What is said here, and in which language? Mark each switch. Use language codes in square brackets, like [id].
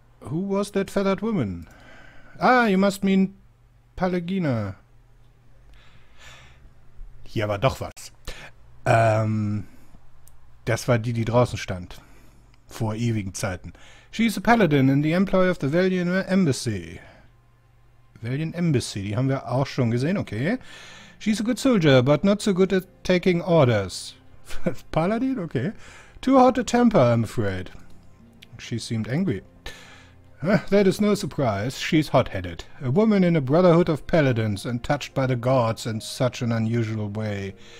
[en] Who was that feathered woman? Ah, you must mean Palagina. [de] Hier war doch was. Das war die, die draußen stand. Vor ewigen Zeiten. [en] She's a paladin in the employ of the Valian Embassy. [de] Valian Embassy, die haben wir auch schon gesehen, okay. [en] She's a good soldier, but not so good at taking orders. Paladin? Okay. Too hot a temper, I'm afraid. She seemed angry. That is no surprise. She's hot-headed. A woman in a brotherhood of paladins and touched by the gods in such an unusual way.